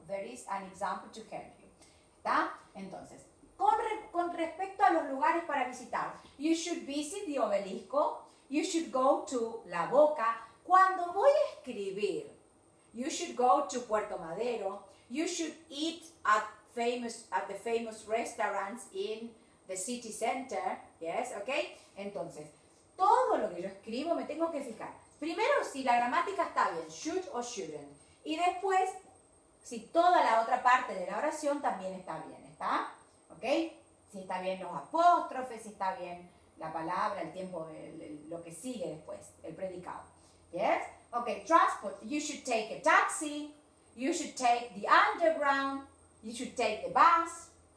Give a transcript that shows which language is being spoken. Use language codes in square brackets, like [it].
[en] There is an example to help you. [es] ¿Está? Entonces, con respecto a los lugares para visitar, [en] you should visit the obelisco. You should go to La Boca. [es] Cuando voy a escribir, [en] you should go to Puerto Madero. You should eat at the famous restaurants in the city center. Yes, okay? [es] Entonces, todo lo que yo escribo me tengo que fijar. Primero, si la gramática está bien, should or shouldn't. Y después, si toda la otra parte de la oración también está bien, ¿está? Okay? Si está bien los apóstrofes, si está bien la palabra, el tiempo, lo que sigue después, el predicado. [en] Yes? Okay, transport, you should take a taxi, you should take the underground, you should take the bus.